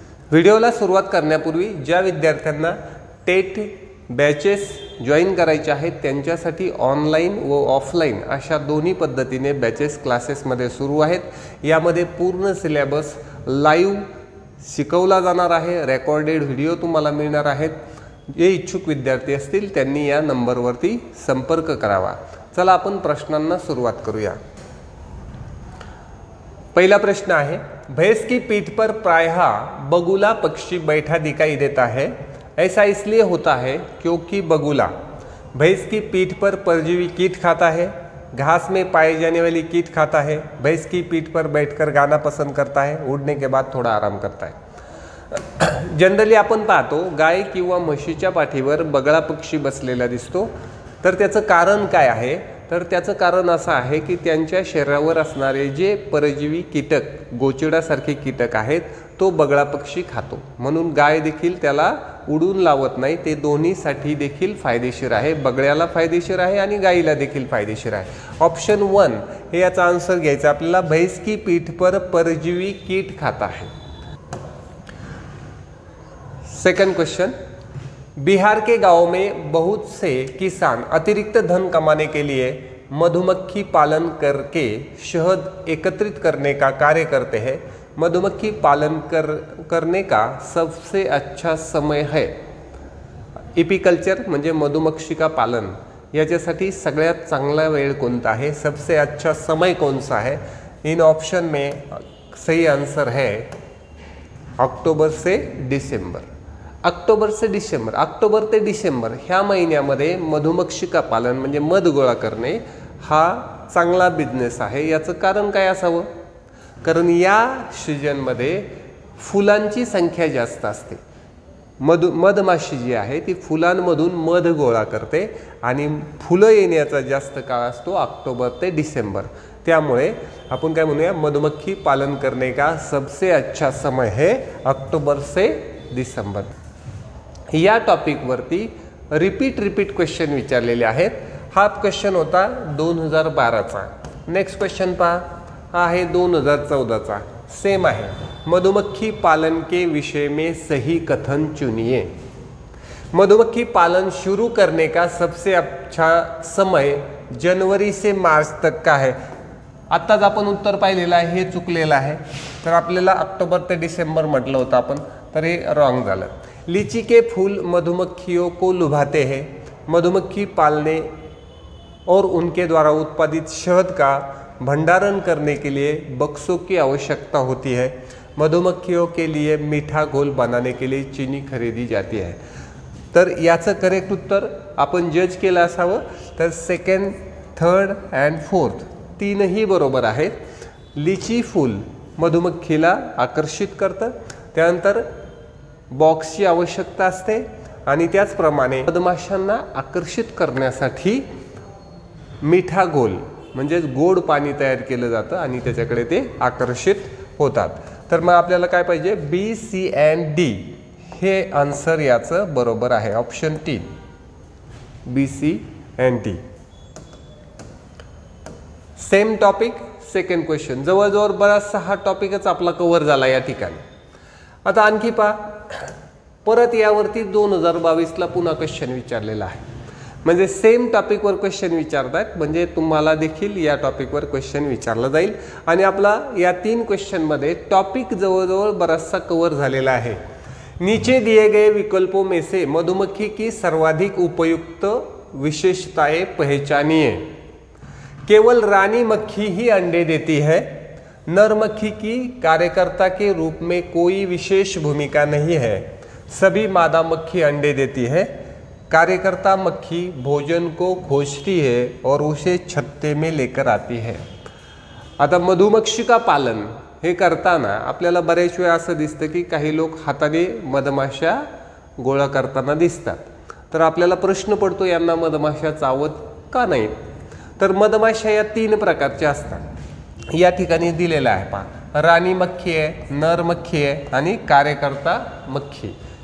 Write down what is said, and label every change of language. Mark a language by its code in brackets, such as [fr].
[mr] व्हिडिओला सुरुवात करण्यापूर्वी ज्या विद्यार्थ्यांना टेट बॅचेस जॉईन करायचे आहेत, त्यांच्यासाठी ऑनलाईन व ऑफलाईन अशा दोन्ही पद्धतीने बॅचेस क्लासेसमध्ये सुरू आहेत. यामध्ये पूर्ण सिलेबस लाईव्ह शिकवला जाणार आहे, रेकॉर्डेड व्हिडिओ तुम्हाला मिळणार आहेत. जे इच्छुक विद्यार्थी असतील त्यांनी या नंबरवरती संपर्क करावा. चला आपण प्रश्नांना सुरुवात करूया. [hi] पहिला प्रश्न आहे, भैंस की पीठ पर प्रायः बगुला पक्षी बैठा दिखाई देता है, ऐसा इसलिए होता है क्योंकि बगुला भैंस की पीठ पर परजीवी कीट खाता है, घास में पाए जाने वाली कीट खाता है, भैंस की पीठ पर बैठकर गाना पसंद करता है, उड़ने के बाद थोड़ा आराम करता है. [mr] जनरली आपण पाहतो गाय किंवा म्हशीच्या पाठीवर बगळा पक्षी बसलेला दिसतो, तर त्याचं कारण काय आहे? तर त्याचं कारण असं आहे की त्यांच्या शरीरावर असणारे जे परजीवी कीटक गोचिडासारखे कीटक आहेत तो बगळा पक्षी खातो, म्हणून गाय देखील त्याला उडून लावत नाही. ते दोन्हीसाठी देखील फायदेशीर आहे, बगळ्याला फायदेशीर आहे आणि गायीला देखील फायदेशीर आहे. ऑप्शन 1 हे याचा आन्सर घ्यायचं आपल्याला, [hi] भैंस की पीठ पर परजीवी कीट [mr] खात आहे. [hi] सेकंड क्वेश्चन, बिहार के गाँव में बहुत से किसान अतिरिक्त धन कमाने के लिए मधुमक्खी पालन करके शहद एकत्रित करने का कार्य करते हैं, मधुमक्खी पालन करने का सबसे अच्छा समय है. [mr] एपिकल्चर म्हणजे [hi] मधुमक्षी का पालन, [mr] याच्यासाठी सगळ्यात चांगला वेळ कोणता आहे, [hi] सबसे अच्छा समय कौन सा है? इन ऑप्शन में सही आंसर है ऑक्टोबर से डिसेंबर. [mr] ऑक्टोबर ते डिसेंबर ह्या महिन्यामध्ये मधुमक्षिका पालन म्हणजे मध गोळा करणे हा चांगला बिझनेस आहे. याचं कारण काय असावं? कारण या सीजनमध्ये फुलांची संख्या जास्त असते. मधमाशी जी आहे ती फुलांमधून मध गोळा करते आणि फुलं येण्याचा जास्त काळ असतो ऑक्टोबर ते डिसेंबर. त्यामुळे आपण काय म्हणूया, [hi] मधुमक्खी पालन करणे का सबसे अच्छा समय है ऑक्टोबर से डिसेंबर. [mr] या टॉपिकवरती रिपीट क्वेश्चन विचारलेले आहेत. हा क्वेश्चन होता 2012. नेक्स्ट क्वेश्चन पहा, हा आहे 2014, सेम आहे. [hi] मधुमक्खी पालन के विषय में सही कथन चुनिए, मधुमक्खी पालन शुरू करने का सबसे अच्छा समय जनवरी से मार्च तक का है. [mr] आत्ताच आपण उत्तर पाहिलेलं आहे, हे चुकलेलं आहे. तर आपल्याला ऑक्टोबर ते डिसेंबर म्हटलं होतं आपण, तर हे रॉंग झालं. [hi] लीची के फूल मधुमक्खियों को लुभाते हैं, मधुमक्खी पालने और उनके द्वारा उत्पादित शहद का भंडारण करने के लिए बक्सों की आवश्यकता होती है, मधुमक्खियों के लिए मीठा घोल बनाने के लिए चीनी खरीदी जाती है. [mr] तर याचं करेक्ट उत्तर आपण जज केलं असावं, तर सेकंड, थर्ड अँड फोर्थ तीनही बरोबर आहेत. लीची फूल मधुमक्खीला आकर्षित करतं, त्यानंतर बॉक्सची आवश्यकता असते आणि त्याचप्रमाणे मधमाशांना आकर्षित करण्यासाठी मिठा गोल म्हणजेच गोड पाणी तयार केलं जातं आणि त्याच्याकडे ते आकर्षित होतात. तर मग आपल्याला काय पाहिजे? BC and D हे आन्सर याचं बरोबर आहे, option 3, BC and D. Same topic second question, जवळजवळ बराचसा हा टॉपिकच आपला कव्हर झाला या ठिकाणी. आता आणखी पहा, परत यावरती 2022 पुन्हा क्वेश्चन विचारलेला आहे, म्हणजे सेम टॉपिकवर क्वेश्चन विचारतात, म्हणजे तुम्हाला देखील या टॉपिकवर क्वेश्चन विचारला जाईल. आणि आपला या 3 क्वेश्चनमध्ये टॉपिक जवळजवळ बराचसा कव्हर झालेला आहे. [hi] नीचे दिए गए विकल्पों में से मधुमक्खी की सर्वाधिक उपयुक्त विशेषताएं पहचानिए, केवल रानी मक्खी ही अंडे देती है, नर मक्खी की कार्यकर्ता के रूप में कोई विशेष भूमिका नहीं है, सभी मादा मक्खी अंडे देती है, कार्यकर्ता मक्खी भोजन को खोजती है और उसे छत्ते में लेकर आती है। [mr] आता मधुमक्षिका पालन हे करताना आपल्याला बऱ्याच वेळा असं दिसतं की काही लोक हाताने मधमाशा गोळा करताना दिसतात, तर आपल्याला प्रश्न पडतो यांना मधमाशा चावत का नाही। तर मधमाशा या तीन प्रकारच्या असतात, या ठिकाणी दिलेलं आहे पहा, राणी मक्खी आहे, नर मक्खी आहे आणि कार्यकर्ता मक्खी।